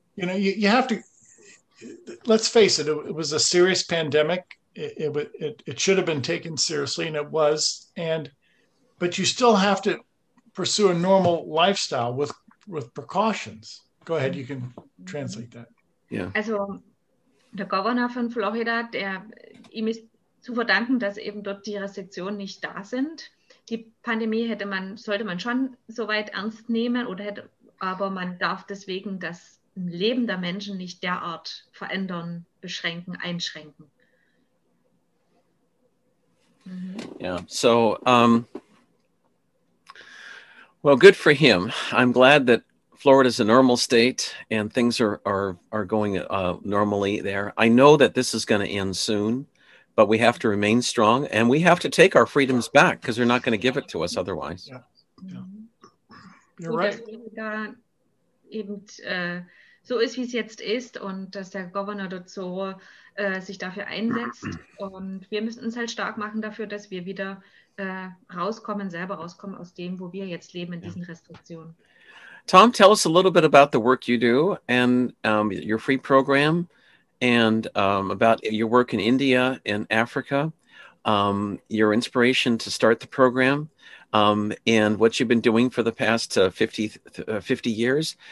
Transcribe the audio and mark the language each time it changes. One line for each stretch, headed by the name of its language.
English: You know, you have to, let's face it, it was a serious pandemic. It should have been taken seriously, and it was. But you still have to pursue a normal lifestyle with precautions. Go ahead, you can translate that. Yeah.
German: Also, der Governor von Florida, ihm ist zu verdanken, dass eben dort die Restriktionen nicht da sind. Die Pandemie sollte man schon soweit ernst nehmen, aber man darf deswegen das Leben der Menschen nicht derart verändern, beschränken, einschränken. Mm-hmm.
English: Yeah, so, well, good for him. I'm glad that Florida is a normal state and things are going normally there. I know that this is going to end soon, but we have to remain strong and we have to take our freedoms back because they're not going to give it to us otherwise. Yeah. Yeah. You're right.
German: So ist, wie es jetzt ist, und dass der Governor dort so sich dafür einsetzt. Und wir müssen uns halt stark machen dafür, dass wir wieder rauskommen, selber rauskommen aus dem, wo wir jetzt leben, in diesen Restriktionen.
English: Tom, tell us a little bit about the work you do and your free program and about your work in India and Africa, your inspiration to start the program, and what you've been doing for the past 50 years.